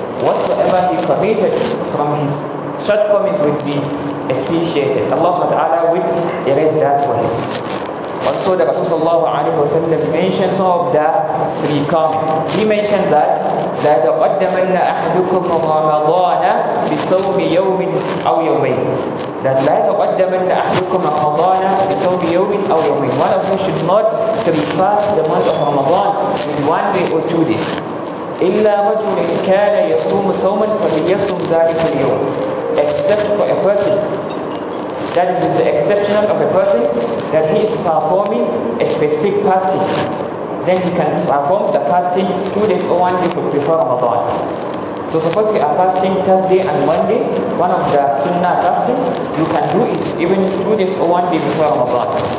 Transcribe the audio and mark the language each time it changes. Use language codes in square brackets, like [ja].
[en] Whatsoever he committed from his shortcomings will be expiated. Allah subhanahu wa ta'ala will erase that for him. Also, the Rasulullah sallallahu alayhi wa sallam mentioned some of the three comments. He mentioned that [ar] لا تقدمن أحدكم رمضان بصوم يوم أو يومين. That لا تقدمن أحدكم رمضان بصوم يوم أو يومين. [en] One of you should not pre-fast the month of Ramadan with one day or two days. [ar] إلا رجل كان يصوم صوما فليصوم ذلك اليوم. [en] Except for a person. That is with the exception of a person that he is performing a specific fasting. Then he can perform the fasting 2 days or 1 day before Ramadan. So suppose you are fasting Thursday and Monday, one of the sunnah fasting, you can do it even 2 days or 1 day before Ramadan.